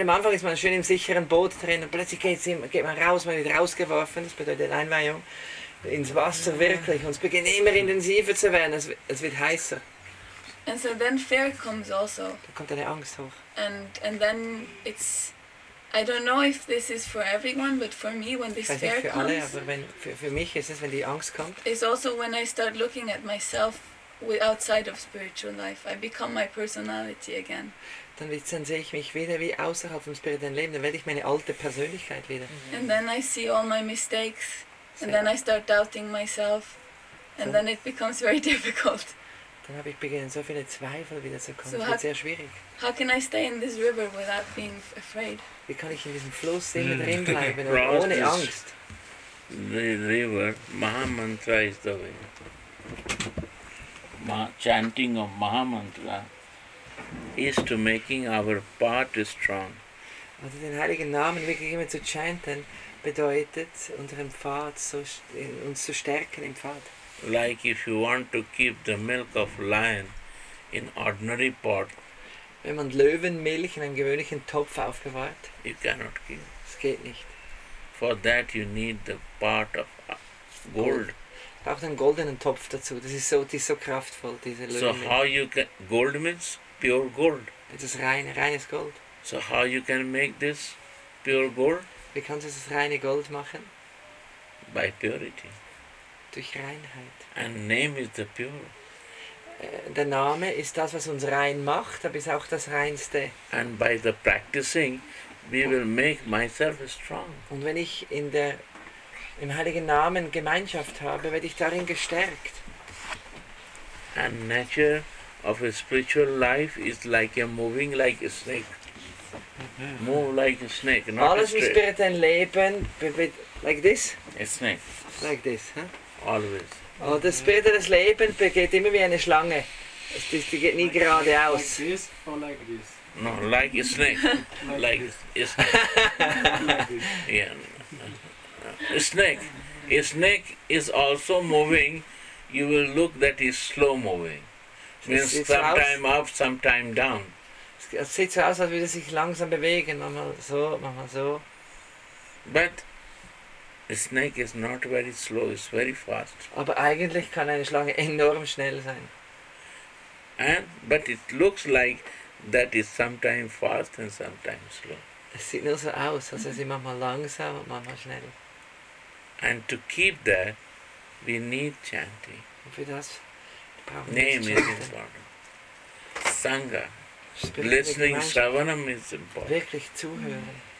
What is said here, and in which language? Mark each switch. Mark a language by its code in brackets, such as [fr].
[de] Am Anfang ist man schön im sicheren Boot drin und plötzlich geht man raus, man wird rausgeworfen, das bedeutet Einweihung, ins Wasser wirklich. Und es beginnt immer intensiver zu werden, es wird heißer. [en] And so then fear comes also. [de] Da kommt eine Angst hoch. [en] And then it's, I don't know if this is for everyone, but for me when this fear comes. [de] Alle, aber für mich ist es, wenn die Angst kommt. [en] It's also when I start looking at myself outside of spiritual life. I become my personality again. [de] Dann sehe ich mich wieder wie außerhalb vom spirituellen Leben. Dann werde ich meine alte Persönlichkeit wieder. [en] Mm-hmm. And then I see all my mistakes. And then I start doubting myself. And then it becomes very difficult. [de] Dann habe ich begonnen, so viele Zweifel wieder zu kommen. Es wird sehr schwierig. [en] How can I stay in this river without being afraid? [de] Wie kann ich in diesem Fluss immer drin bleiben, ohne Angst? [en] The river, Mahamantra is the way. Chanting of Mahamantra is to making our part strong. [de] Also den heiligen Namen wirklich immer zu chanten, bedeutet, unseren Pfad uns zu stärken im Pfad. [en] Like if you want to keep the milk of lion in ordinary pot. [de] Wenn man Löwenmilch in einem gewöhnlichen Topf aufbewahrt. [en] You cannot keep. [de] Es geht nicht. [en] For that you need the pot of gold. [de] Braucht einen goldenen Topf dazu. Das ist so kraftvoll, diese Löwenmilch. [en] So how you can, gold means pure gold. [de] Das ist reines Gold. [en] So how you can make this pure gold? [de] Wie kannst du das reine Gold machen? [en] By purity. [de] Durch Reinheit. [en] And name is the pure. [de] Der Name ist das, was uns rein macht, aber ist auch das Reinste. [en] And by the practicing, we will make myself strong. [de] Und wenn ich im heiligen Namen Gemeinschaft habe, werde ich darin gestärkt. [en] And nature of a spiritual life is like a moving like a snake. Move like a snake, not [de] alles [en] a snake. [de] Im spirituellen Leben, [en] like this? A snake. Like this, huh? Always. [de] Oh, das spirituelle Leben geht immer wie eine Schlange. Die geht nie geradeaus. [en] Like this or like this? No, like a snake. like this. Yeah. A snake. A snake is also moving. You will look that is slow moving. Means sometime up, sometime down. [de] Es sieht so aus, als würde sich langsam bewegen. Manchmal so, manchmal so. [en] But a snake is not very slow, it's very fast. [de] Aber eigentlich kann eine Schlange enorm schnell sein. [en] But it looks like that is sometimes fast and sometimes slow. [de] Es sieht nur so aus, als sei sie manchmal langsam und manchmal schnell. [en] And to keep that, we need chanting. [de] Und für das brauchen [en] name [de] wir [en] is important. Sangha. Listening Shravanam is important. [de] Wirklich zuhören.